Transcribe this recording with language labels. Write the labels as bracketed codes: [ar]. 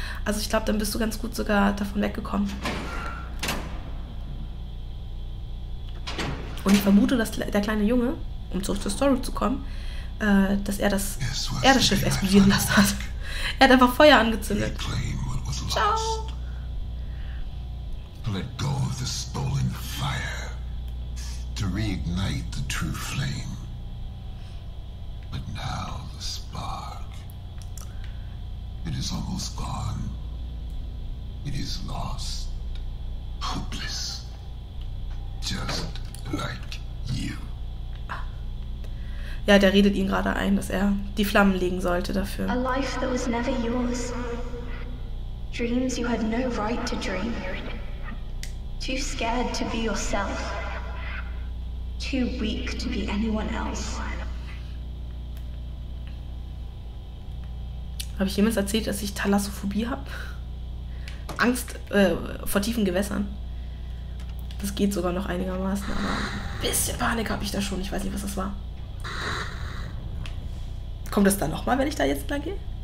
[de] Also ich glaube, dann bist du ganz gut sogar davon weggekommen. Und ich vermute, dass der kleine Junge, um zurück zur Story zu kommen, dass er das Erdschiff explodieren lassen hat. Er hat einfach Feuer angezündet. Ciao. [en] Let go of the stolen fire to reignite the true flame. But now the spark, it is almost gone. It is lost, hopeless, just like you. [de] Ja, der redet ihn gerade ein, dass er die Flammen legen sollte dafür. [en] A life that was never yours. Dreams you had no right to dream. Too scared to be yourself. Too weak to be anyone else. [de] Habe ich jemals erzählt, dass ich Thalassophobie habe? Angst vor tiefen Gewässern. Das geht sogar noch einigermaßen, aber ein bisschen Panik habe ich da schon. Ich weiß nicht, was das war. Kommt das dann nochmal, wenn ich da jetzt lang gehe?